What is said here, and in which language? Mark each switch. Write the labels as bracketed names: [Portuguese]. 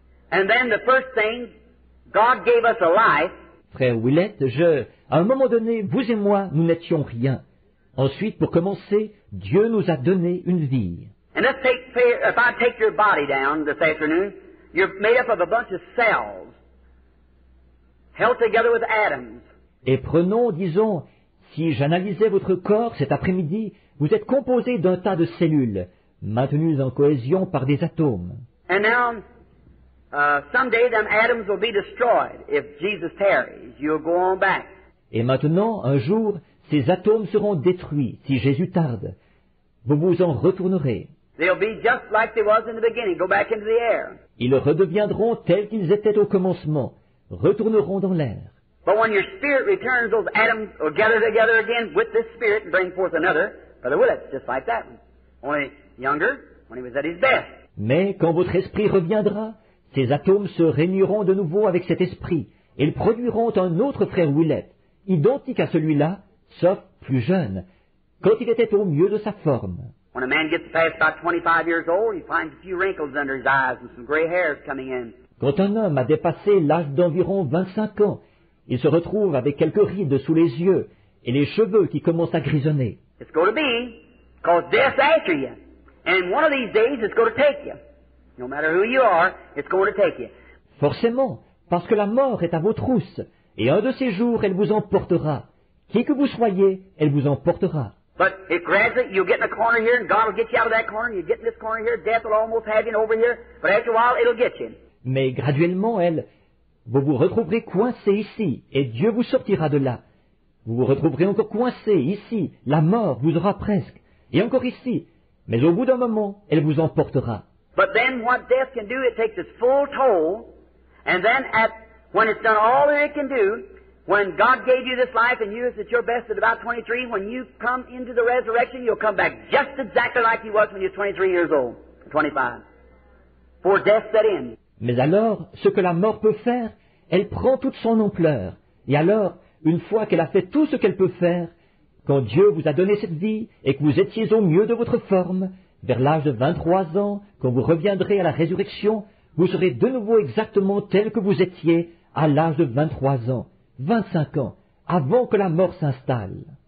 [English] And then the first thing, God gave us a life. [French] Frère Willett, à un moment donné, vous et moi, nous n'étions rien. Ensuite, pour commencer, Dieu nous a donné une vie. [English] And let's take, if I take your body down this afternoon, you're made up of a bunch of cells held together with atoms. [French] Et prenons, disons, si j'analysais votre corps cet après-midi, vous êtes composé d'un tas de cellules maintenues en cohésion par des atomes. [English] And now, someday them atoms will be destroyed. If Jesus tarries, you'll go on back. [French] Et maintenant, un jour, ces atomes seront détruits si Jésus tarde. Vous vous en retournerez. [English] They'll be just like they was in the beginning. Go back into the air. [French] Ils redeviendront tels qu'ils étaient au commencement, retourneront dans l'air. [English] But when your spirit returns, those atoms will gather together again with this spirit and bring forth another. Brother Willett, just like that one. Only younger, when he was at his best. [French] Mais quand votre esprit reviendra, ces atomes se réuniront de nouveau avec cet esprit. Ils produiront un autre frère Willett, identique à celui-là, sauf plus jeune, quand il était au mieux de sa forme. [English] When a man gets past about 25 years old, he finds a few wrinkles under his eyes and some gray hairs coming in. [French] Quand un homme a dépassé l'âge d'environ 25 ans, il se retrouve avec quelques rides sous les yeux et les cheveux qui commencent à grisonner. [English] It's going to be because death's after you. And one of these days, it's going to take you. No matter who you are, it's going to take you. [French] Forcément, parce que la mort est à vos trousses et un de ces jours, elle vous emportera. Qui que vous soyez, elle vous emportera. [English] But if gradually you get in a corner here and God will get you out of that corner, you get in this corner here, death will almost have you over here, but after a while it'll get you. [French] Mais graduellement, elle, vous vous retrouverez coincé ici et Dieu vous sortira de là. Vous vous retrouverez encore coincé ici, la mort vous aura presque, et encore ici, mais au bout d'un moment, elle vous emportera. [English] But then what death can do, it takes its full toll, and then when it's done all that it can do, when God gave you this life and you is at your best at about 23, when you come into the resurrection, you'll come back just exactly like you was when you were 23 years old, 25. For death set in. [French] Mais alors, ce que la mort peut faire, elle prend toute son ampleur. Et alors, une fois qu'elle a fait tout ce qu'elle peut faire, quand Dieu vous a donné cette vie et que vous étiez au mieux de votre forme, vers l'âge de 23 ans, quand vous reviendrez à la résurrection, vous serez de nouveau exactement tel que vous étiez à l'âge de 23 ans, 25 ans, avant que la mort s'installe.